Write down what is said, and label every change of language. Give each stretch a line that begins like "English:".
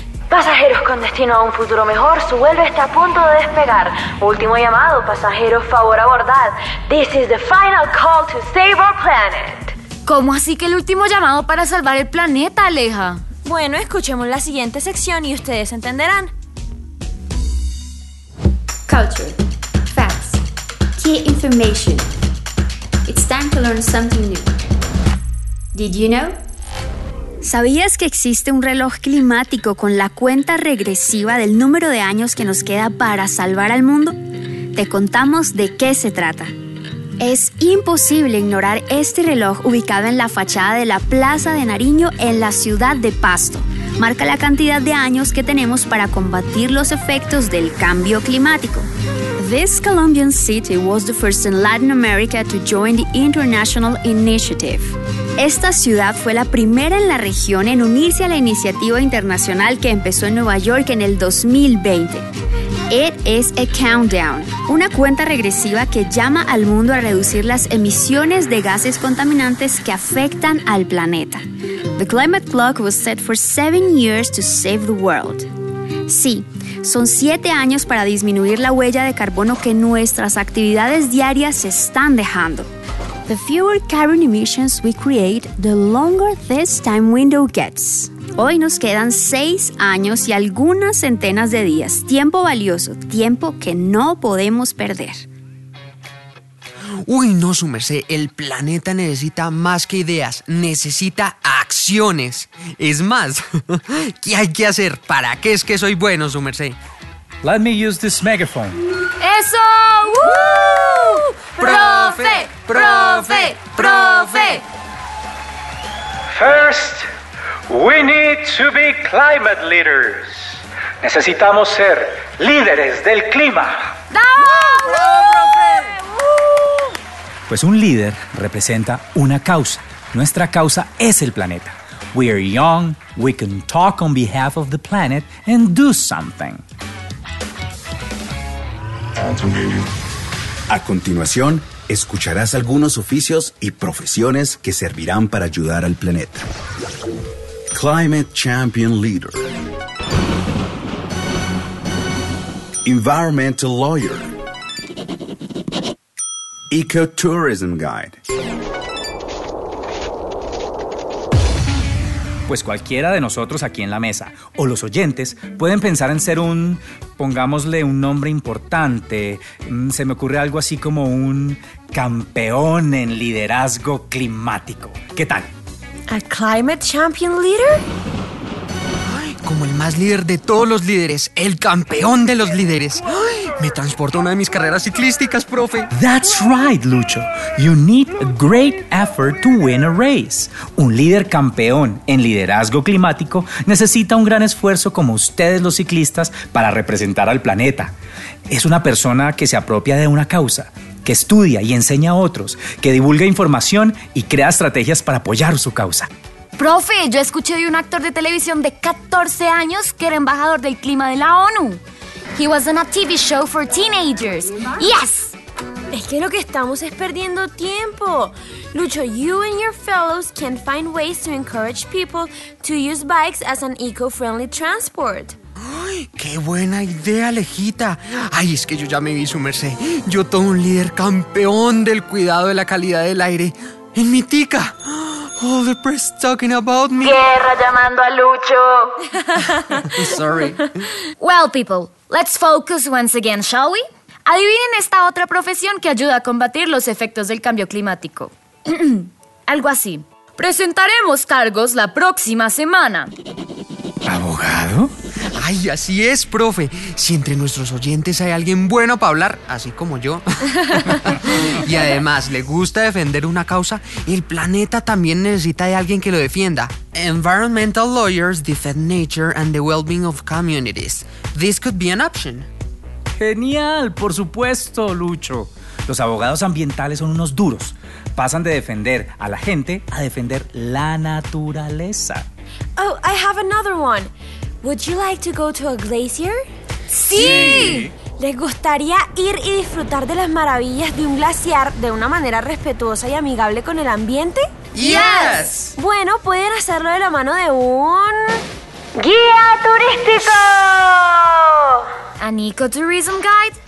Spanish: Pasajeros con destino a un futuro mejor, su vuelo está a punto de despegar. Último llamado, pasajeros, favor abordar.
English: This is the final call to save our planet.
Spanish: ¿Cómo así que el último llamado para salvar el planeta, Aleja? Bueno, escuchemos la siguiente sección y ustedes entenderán.
English: Culture. Facts. Key information. It's time to learn something new. Did you know?
Spanish: ¿Sabías que existe un reloj climático con la cuenta regresiva del número de años que nos queda para salvar al mundo? Te contamos de qué se trata. Es imposible ignorar este reloj ubicado en la fachada de la Plaza de Nariño en la ciudad de Pasto. Marca la cantidad de años que tenemos para combatir los efectos del cambio climático.
English: This Colombian city was the first in Latin America to join the International Initiative.
Spanish: Esta ciudad fue la primera en la región en unirse a la iniciativa internacional que empezó en Nueva York en el 2020.
English: It is a countdown,
Spanish: una cuenta regresiva que llama al mundo a reducir las emisiones de gases contaminantes que afectan al planeta.
English: The climate clock was set for 7 years to save the world.
Spanish: Sí, son 7 años para disminuir la huella de carbono que nuestras actividades diarias están dejando.
English: The fewer carbon emissions we create, the longer this time window gets.
Spanish: Hoy nos quedan 6 años y algunas centenas de días. Tiempo valioso, tiempo que no podemos perder. Uy, no, su merced, el planeta necesita más que ideas, necesita acciones. Es más, ¿qué hay que hacer? ¿Para qué es que soy bueno, su merced?
English: Let me use this megaphone.
Spanish: ¡Eso! ¡Woo! ¡Profe! ¡Profe! ¡Profe!
English: First, we need to be climate leaders.
Spanish: Necesitamos ser líderes del clima. ¡Bravo! ¡Profe! Pues un líder representa una causa. Nuestra causa es el planeta.
English: We are young, we can talk on behalf of the planet and do something.
Spanish: A continuación, escucharás algunos oficios y profesiones que servirán para ayudar al planeta.
English: Climate Champion Leader. Environmental Lawyer. Ecotourism Guide.
Spanish: Pues cualquiera de nosotros aquí en la mesa o los oyentes pueden pensar en ser un, pongámosle un nombre importante, se me ocurre algo así como un campeón en liderazgo climático. ¿Qué tal?
English: ¿A climate champion leader?
Spanish: Como el más líder de todos los líderes, el campeón de los líderes. ¡Ay! Me transporto a una de mis carreras ciclísticas, profe.
English: That's right, Lucho. You need a great effort to win a race.
Spanish: Un líder campeón en liderazgo climático necesita un gran esfuerzo como ustedes los ciclistas para representar al planeta. Es una persona que se apropia de una causa, que estudia y enseña a otros, que divulga información y crea estrategias para apoyar su causa. Profe, yo escuché de un actor de televisión de 14 años que era embajador del clima de la ONU.
English: He was on a TV show for teenagers. Yes!
Spanish: Es que lo que estamos es perdiendo tiempo.
English: Lucho, you and your fellows can find ways to encourage people to use bikes as an eco-friendly transport.
Spanish: ¡Ay, qué buena idea, Alejita! ¡Ay, es que yo ya me vi, su merced! Yo todo un líder campeón del cuidado de la calidad del aire en mi tica.
English: All the press talking about me.
Spanish: Guerra llamando a Lucho.
English: Sorry. Well, people, let's focus once again, shall we?
Spanish: Adivinen esta otra profesión que ayuda a combatir los efectos del cambio climático. Algo así. Presentaremos cargos la próxima semana. ¿Abogado? Ay, así es, profe. Si entre nuestros oyentes hay alguien bueno para hablar, así como yo, y además le gusta defender una causa, el planeta también necesita de alguien que lo defienda.
English: Environmental lawyers defend nature and the well-being of communities. This could be an option.
Spanish: Genial, por supuesto, Lucho. Los abogados ambientales son unos duros. Pasan de defender a la gente a defender la naturaleza.
English: Oh, I have another one. Would you like to go to a glacier?
Spanish: ¡Sí! ¡Sí! ¿Les gustaría ir y disfrutar de las maravillas de un glaciar de una manera respetuosa y amigable con el ambiente?
English: ¡Yes!
Spanish: Bueno, pueden hacerlo de la mano de un... ¡Guía turístico!
English: ¿An ecotourism guide?